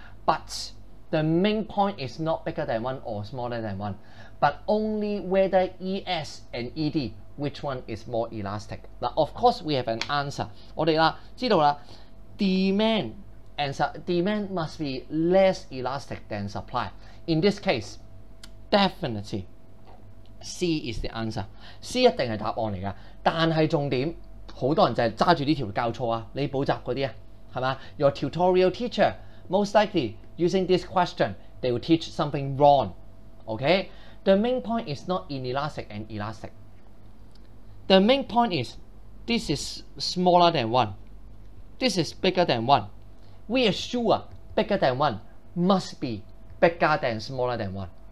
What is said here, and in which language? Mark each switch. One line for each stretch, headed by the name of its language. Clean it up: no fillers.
English: But the main point is not bigger than one or smaller than one, but only whether ES and ED, which one is more elastic. Now, of course, we have an answer.
Chinese: 我们知道,
English: demand must be less elastic than supply. In this case, definitely C is the answer.
Chinese: C 一定是答案来的,但是重点,很多人就是拿着这条教错,你补习那些,是吧?
English: Your tutorial teacher, most likely, using this question, they will teach something wrong. Okay? The main point is not inelastic and elastic. The main point is, this is smaller than one. This is bigger than one. We are sure bigger than one must be bigger than smaller than one.